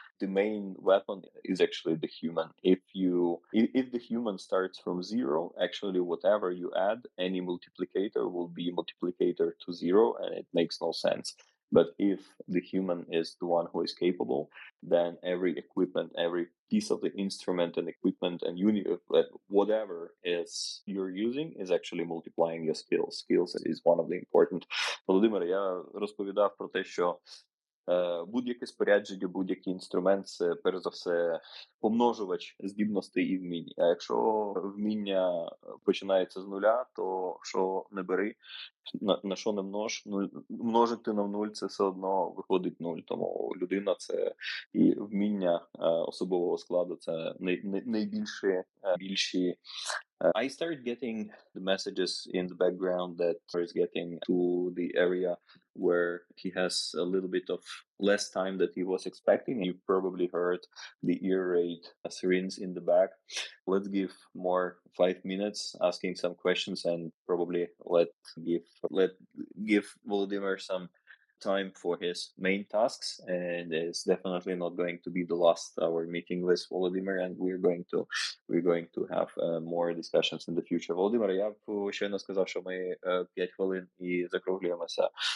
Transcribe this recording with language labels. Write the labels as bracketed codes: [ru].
[en] The main weapon is actually the human. If the human starts from zero, actually whatever you add, any multiplicator will be multiplicator to zero, and it makes no sense. But if the human is the one who is capable, then every equipment, every piece of the instrument and equipment and whatever is you're using is actually multiplying your skills. Skills is one of the important. [uk] Володимир, я розповідав про те, що будь-яке спорядження, будь-який інструмент – це, перш за все, помножувач здібностей і вмінь. А якщо вміння починається з нуля, то що не бери, на що не множ, ну, множити на нуль – це все одно виходить нуль. Тому людина – це і вміння особового складу – це найбільші. [en] I started getting the messages in the background that is getting to the area where he has a little bit of less time than he was expecting. You probably heard the ear rate sirens in the back. Let's give more 5 minutes asking some questions and probably let give Volodymyr some time for his main tasks. And it's definitely not going to be the last our meeting with Volodymyr, and we're going to have more discussions in the future. [uk] Volodymyr, я б щойно сказав, що ми 5 хвилин і закруглюємося.